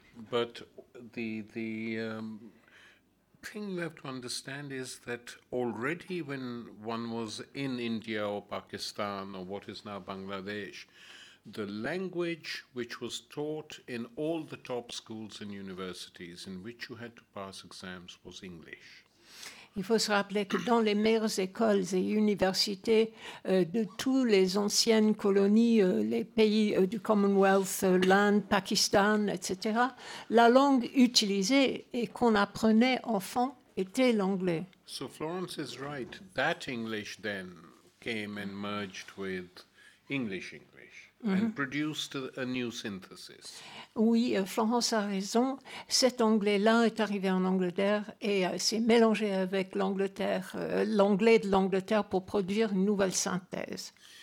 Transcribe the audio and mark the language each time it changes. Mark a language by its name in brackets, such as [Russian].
[English] But The thing you have to understand is that already when one was in India or Pakistan or what is now Bangladesh, the language which was taught in all the top schools and universities in which you had to pass exams was English. [French] Il faut se rappeler que dans les meilleures écoles et universités de tous les anciennes colonies, les pays du Commonwealth, l'Inde, Pakistan, etc., la langue utilisée et qu'on apprenait enfant était l'anglais. [English] So Florence is right. That English then came and merged with English English and produced a new synthesis. [French] Oui, Florence a raison. Cet anglais-là est arrivé en Angleterre et s'est mélangé avec l'Angleterre, l'anglais de l'Angleterre pour produire une nouvelle synthèse.